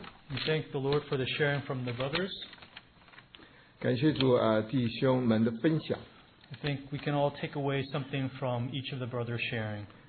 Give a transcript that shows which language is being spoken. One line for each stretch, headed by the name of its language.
English: We thank the Lord for the sharing from the brothers.
Chinese: 感谢主啊，弟兄们的分享。
English: I think we can all take away something from each of the brothers sharing.